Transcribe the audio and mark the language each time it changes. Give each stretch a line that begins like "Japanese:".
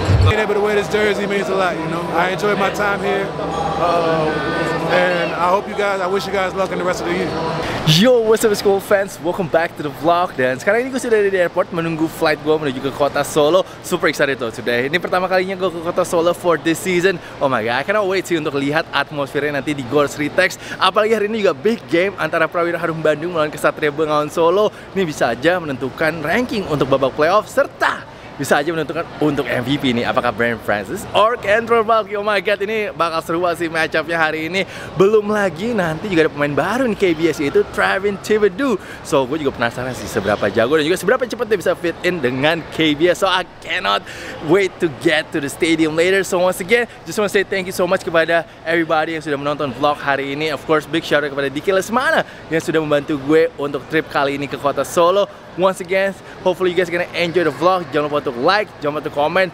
English: Being able to wear this jersey means a lot, you know. I enjoyed my time here. And I wish you guys luck in the rest of the year. Yo, what's up school fans? Welcome back to the vlog.
Indonesian: Dan sekarang ini gue sudah ada di airport menunggu flight gue menuju ke kota Solo.
English: Super excited though today.
Indonesian: Ini pertama kalinya gue ke kota Solo
English: for this season. Oh my god, I cannot wait
Indonesian: sih untuk lihat atmosfernya nanti di Gor Sri Tex. Apalagi hari ini juga
English: big game
Indonesian: antara Prawira Harum Bandung melawan Kesatria Bengawan Solo. Ini bisa aja menentukan ranking untuk babak playoff serta bisa aja menentukan untuk MVP nih, apakah Brian Francis or Kendrick Bulky.
English: Oh my god,
Indonesian: ini bakal seru sih matchupnya hari ini. Belum lagi nanti juga ada pemain baru nih KBS, yaitu Travin Thibodeau. So gue juga penasaran sih seberapa jago dan juga seberapa cepat dia bisa fit in dengan KBS.
English: So I cannot wait to get to the stadium later. So once again, just want to say thank you so much kepada everybody
Indonesian: yang sudah menonton vlog hari ini.
English: Of course big shout out
Indonesian: kepada Diki Lesmana yang sudah membantu gue untuk trip kali ini ke kota Solo.
English: Once again, hopefully you guys gonna enjoy the vlog.
Indonesian: Jangan lupa untuk like, jangan lupa untuk comment.